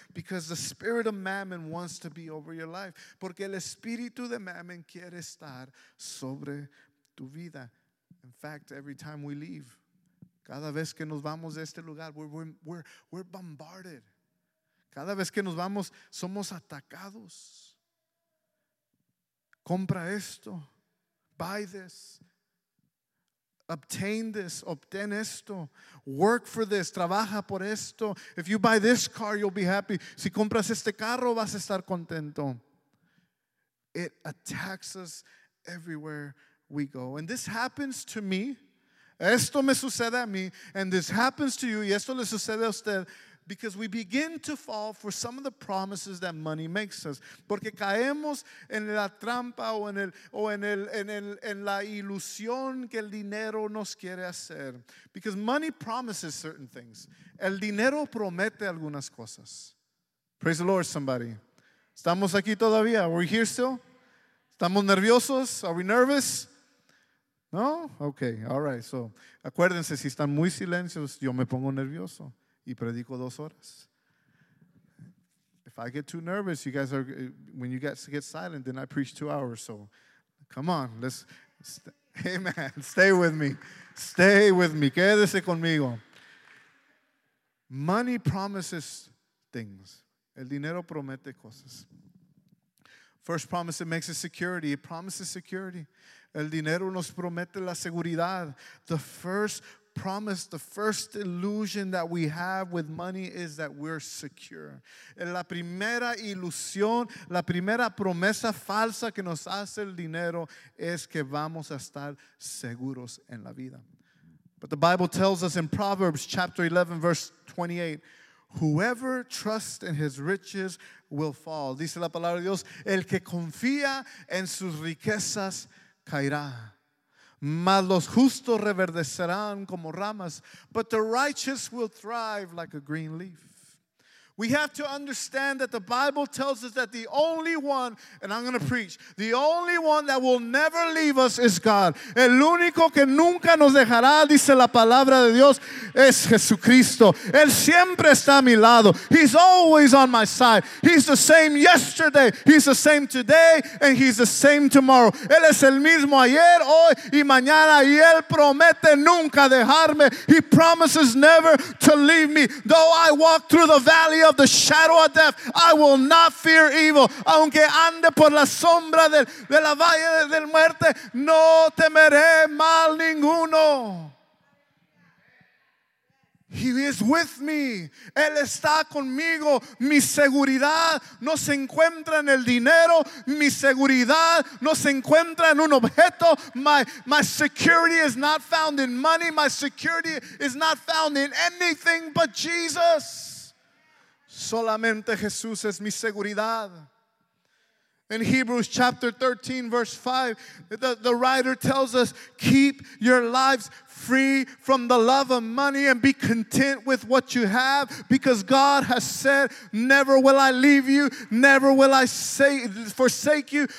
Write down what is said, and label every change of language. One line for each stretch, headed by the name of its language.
English: Because the spirit of mammon wants to be over your life.
Spanish: Porque el espíritu de mammon quiere estar sobre tu vida.
English: In fact, every time we leave,
Spanish: cada vez que nos vamos de este lugar,
English: we're bombarded.
Spanish: Cada vez que nos vamos, somos atacados. Compra esto.
English: Buy this. Obtain this,
Spanish: obtén esto.
English: Work for this,
Spanish: trabaja por esto.
English: If you buy this car, you'll be happy.
Spanish: Si compras este carro, vas a estar contento.
English: It attacks us everywhere we go. And this happens to me.
Spanish: Esto me sucede a mí.
English: And this happens to you.
Spanish: Y esto le sucede a usted.
English: Because we begin to fall for some of the promises that money makes us.
Spanish: Porque caemos en la trampa o en la ilusión que el dinero nos quiere hacer.
English: Because money promises certain things.
Spanish: El dinero promete algunas cosas.
English: Praise the Lord, somebody.
Spanish: ¿Estamos aquí todavía?
English: Are we here still?
Spanish: ¿Estamos nerviosos?
English: Are we nervous? No? Okay, all right.
Spanish: So, acuérdense, si están muy silenciosos, yo me pongo nervioso. Y predico dos horas.
English: If I get too nervous, you guys are, when you guys get silent, then I preach 2 hours. So, come on, let's, amen, stay with me. Stay with me,
Spanish: quédese conmigo.
English: Money promises things.
Spanish: El dinero promete cosas.
English: First promise it makes is security. It promises security.
Spanish: El dinero nos promete la seguridad.
English: The first promise, the first illusion that we have with money is that we're secure.
Spanish: La primera ilusión, la primera promesa falsa que nos hace el dinero es que vamos a estar seguros en la vida.
English: But the Bible tells us in Proverbs chapter 11, verse 28, whoever trusts in his riches will fall.
Spanish: Dice la palabra de Dios, el que confía en sus riquezas caerá. Mas los justos reverdecerán como ramas,
English: but the righteous will thrive like a green leaf. We have to understand that the Bible tells us that the only one, and I'm going to preach, the only one that will never leave us is God.
Spanish: El único que nunca nos dejará, dice la palabra de Dios, es Jesucristo. Él siempre está a mi lado.
English: He's always on my side. He's the same yesterday. He's the same today. And he's the same tomorrow.
Spanish: Él es el mismo ayer, hoy y mañana. Y Él promete nunca dejarme.
English: He promises never to leave me. Though I walk through the valley of the shadow of death, I will not fear evil.
Spanish: Aunque ande por la sombra de la valle del muerte, no temeré mal ninguno.
English: He is with me.
Spanish: Él está conmigo. Mi seguridad no se encuentra en el dinero. Mi seguridad no se encuentra en un objeto.
English: My security is not found in money. My security is not found in anything but Jesus.
Spanish: Solamente Jesús es mi seguridad.
English: In Hebrews chapter 13, verse 5, the writer tells us, keep your lives free from the love of money and be content with what you have, because God has said, never will I leave you, never will I forsake you.